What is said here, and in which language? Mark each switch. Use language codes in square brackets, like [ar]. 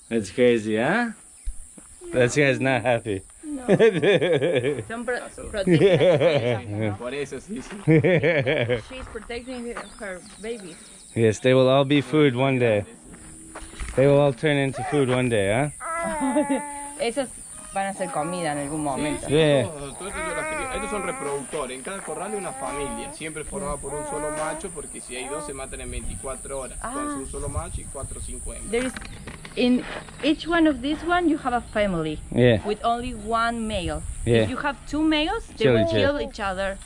[en] It's crazy, huh? No. This guy's not happy. No. Some protecting her. She's protecting her baby. Yes, they will all be food one day. They will all turn into food one day, huh? [es] Esas van a ser comida en algún momento. [en] Yeah. [es] Estos son reproductores. En cada corral hay una familia. Siempre formada por un solo macho, porque si hay dos se matan en 24 horas. Entonces un solo macho y 450. [en] There is, in each one of these one you have a family. Yeah. With only one male. Yeah. If you have two males, they kill will kill each other.